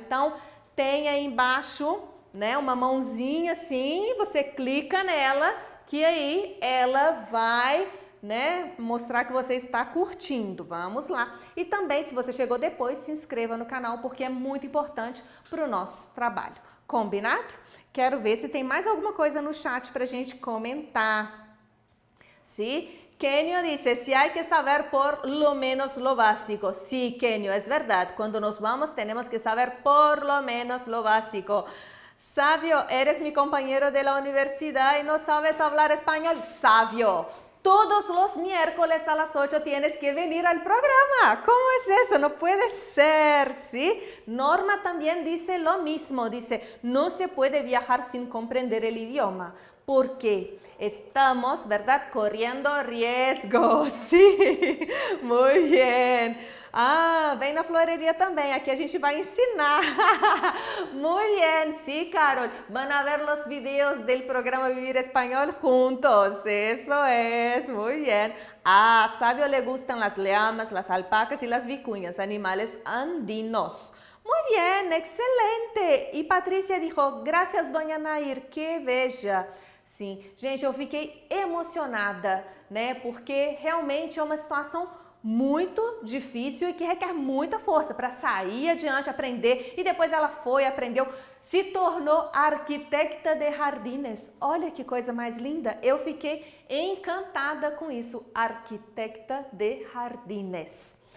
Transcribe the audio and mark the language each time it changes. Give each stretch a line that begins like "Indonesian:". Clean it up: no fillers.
Portuguese: Então tem aí embaixo, né, uma mãozinha assim, você clica nela, que aí ela vai, né, mostrar que você está curtindo. Vamos lá. E também, se você chegou depois, se inscreva no canal, porque é muito importante para o nosso trabalho. Combinado? Quero ver se tem mais alguma coisa no chat para a gente comentar. Sim?
Spanish: Kenio dice, si hay que saber por lo menos lo básico. Sí, Kenio, es verdad. Cuando nos vamos, tenemos que saber por lo menos lo básico. Sávio, eres mi compañero de la universidad y no sabes hablar español. Sávio, todos los miércoles a las 8 tienes que venir al programa. ¿Cómo es eso? No puede ser, ¿sí? Norma también dice lo mismo. Dice, no se puede viajar sin comprender el idioma. ¿Por qué? Estamos, ¿verdad? Corriendo riesgos. Sí, muy bien.
Portuguese: Ah, vem na floreria também, aqui a gente vai ensinar.
Spanish: Muy bien, sí, Carol. Van a ver los videos del programa Vivir Español juntos. Eso es, muy bien. Ah, Sabio le gustan las llamas, las alpacas y las vicuñas, animales andinos. Muy bien, excelente. Y Patricia dijo, gracias, doña Nair, que bella.
Portuguese: Sim, gente, eu fiquei emocionada, né? Porque realmente é uma situação muito difícil e que requer muita força para sair adiante, aprender. E depois ela foi, aprendeu, se tornou arquiteta de jardines. Olha que coisa mais linda. Eu fiquei encantada com isso, arquiteta de jardines.